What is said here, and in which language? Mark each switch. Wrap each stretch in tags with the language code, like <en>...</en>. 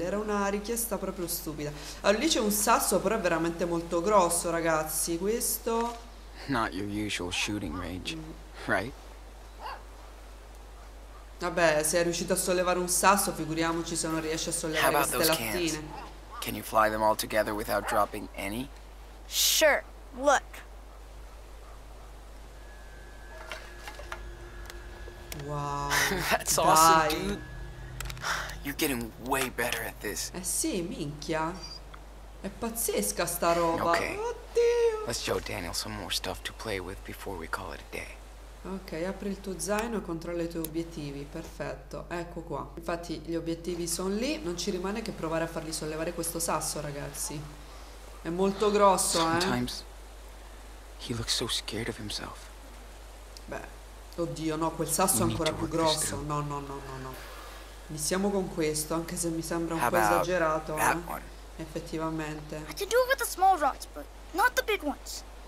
<it>Era una richiesta proprio stupida. Allora, lì c'è un sasso, però è veramente molto grosso, ragazzi. Questo.</it> <en>Not your usual shooting range, right?</en> <it>Vabbè, se è riuscito a sollevare un sasso, figuriamoci se non riesce a sollevare queste lattine.</it> <en>Can you fly them all together without dropping any? Sure, look. Wow. That's</en> <it>dai.</it> <en>Awesome, dude. You're getting way better at this.</en> <it>Eh sì, minchia. È pazzesca sta roba. Okay. Oddio.</it> <en>Let's show Daniel some more stuff to play with before we call it a day.</en> <it>Ok, apri il tuo zaino e controlla i tuoi obiettivi. Perfetto, ecco qua. Infatti gli obiettivi sono lì. Non ci rimane che provare a fargli sollevare questo sasso, ragazzi. È molto grosso,</it> <en>Sometimes he looks so scared of himself.</en> <it>Beh, oddio, no, quel sasso è ancora più grosso. No, no, no, no, no. Iniziamo con questo, anche se mi sembra un po' esagerato, effettivamente.</it> <en>I can do it with the small rocks, but not the big ones.</en>